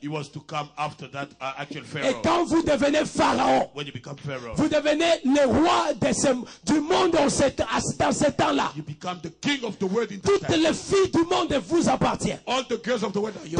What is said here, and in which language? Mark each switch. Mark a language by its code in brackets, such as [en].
[en] He was to come after that actual pharaoh. [fr] Et quand vous devenez pharaon, [en] when you become pharaoh, [fr] vous devenez le roi de ce, du monde dans ce temps-là. [en] You become the king of the world in that [fr] Toutes [en] time. [fr] Les filles du monde vous appartiennent. [en] All the girls of the world are yours.